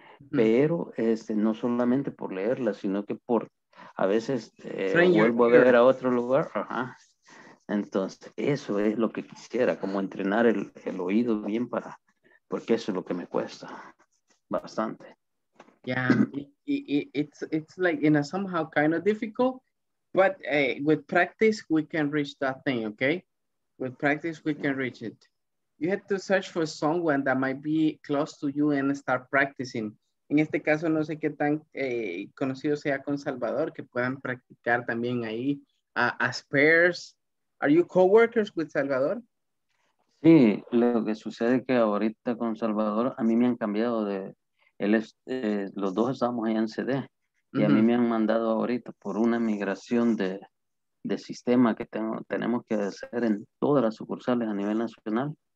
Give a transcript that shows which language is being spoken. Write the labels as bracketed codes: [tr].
[es] Pero no solamente por leerla, sino que por a veces vuelvo a ver a otro lugar. Ajá. Entonces eso es lo que quisiera, como entrenar el oído bien para, porque eso es lo que me cuesta bastante. [en] Yeah, it's like in a somehow kind of difficult, but with practice we can reach that thing, okay? With practice we can reach it. You have to search for someone that might be close to you and start practicing. [es] En este caso no sé qué tan conocido sea con Salvador, que puedan practicar también ahí [en] as pairs. Are you co-workers with Salvador? [es] Sí, lo que sucede es que ahorita con Salvador a mí me han cambiado de él es, los dos estamos allá en CD y a mí me han mandado ahorita por una migración de sistema que tenemos que hacer en todas las sucursales a nivel nacional.